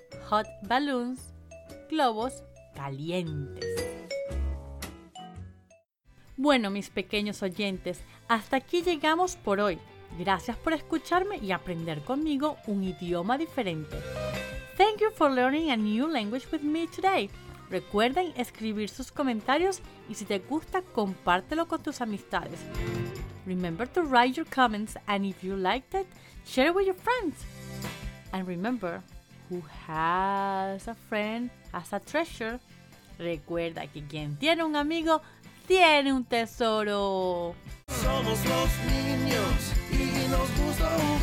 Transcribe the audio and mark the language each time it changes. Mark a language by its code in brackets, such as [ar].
[en] Hot balloons, [es] globos calientes. Bueno, mis pequeños oyentes, hasta aquí llegamos por hoy. Gracias por escucharme y aprender conmigo un idioma diferente. [en] Thank you for learning a new language with me today. [es] Recuerden escribir sus comentarios y si te gusta, compártelo con tus amistades. [en] Remember to write your comments and if you liked it, share it with your friends. And remember, who has a friend has a treasure. [es] Recuerda que quien tiene un amigo tiene un tesoro. Somos los niños y nos gusta.